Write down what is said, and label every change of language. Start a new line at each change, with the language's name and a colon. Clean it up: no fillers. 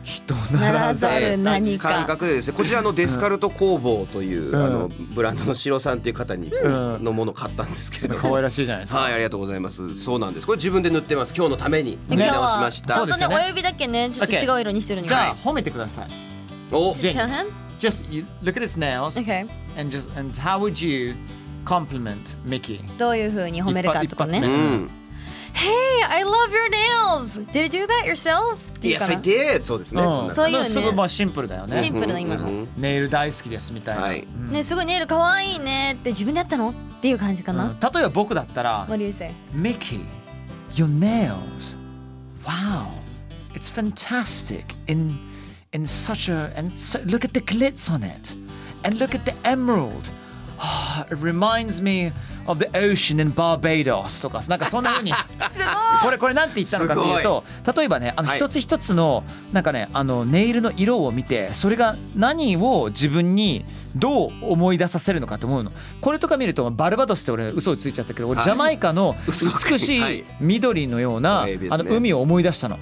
Japanese: 人ならざる何か感覚でですね、こちらのデスカルト工房という、うん、あのブランドのシロさんという方に、うん、のものを買ったんですけれども、可愛らしいじゃないですか。はい、ありがとうございます。そうなんです、これ自分で塗ってます。今日のために塗り直しました。ちょっとね、親指だけね、ちょっと違う色にしてるに、
English: okay.
Japanese: じゃあ褒めてください。お、
English: ジェニー、 tell him? Just look at his nails、 okay. and, just, and how would you compliment Mickey?
Japanese: どういう風に褒めるかとかね、うん、
English: Hey, I love your nails! Did you do that yourself? Yes, I did!
Japanese: そうですね、うん、そういうね、すごいシンプルだよね、シンプルな今の、うん、ネイル大好きですみたいな、はい、うん、ね、すごいネイル可愛いねって自分でやったのっていう感じかな、うん、例えば僕だったら
English: What do you say? Mickey, your nails! Wow! It's fantastic! In such a... And so, look at the glitz on it! And look at the emerald! Oh, it reminds me of the ocean in Barbados
Japanese: とか、なんかそんな風にすごい、これなんて言ったのかというと、例えばね、あの一つ一つの、はい、なんかね、あのネイルの色を見て、それが何を自分にどう思い出させるのかと思うの。これとか見るとバルバドスって俺嘘をついちゃったけど、俺ジャマイカの美しい緑のようなあの海を思い出したの、